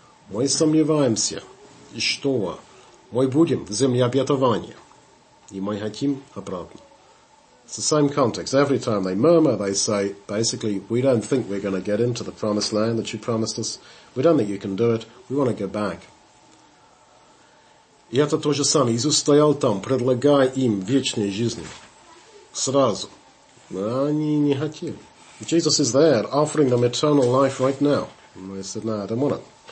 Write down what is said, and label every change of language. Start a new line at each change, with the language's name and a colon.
Russian: Мы сомневаемся, и что мы будем в земле обетования, и мы хотим обратно.
English: It's the same context. Every time they murmur, they say, basically, we don't think we're going to get into the promised land that you promised us. We don't think you can do it. We want to go back.
Russian: И это то же самое. Иисус стоял там, предлагая им вечную жизнь. Сразу. Но они не хотели.
English: Jesus is there, offering them eternal life right now. And they said, no, I don't want it.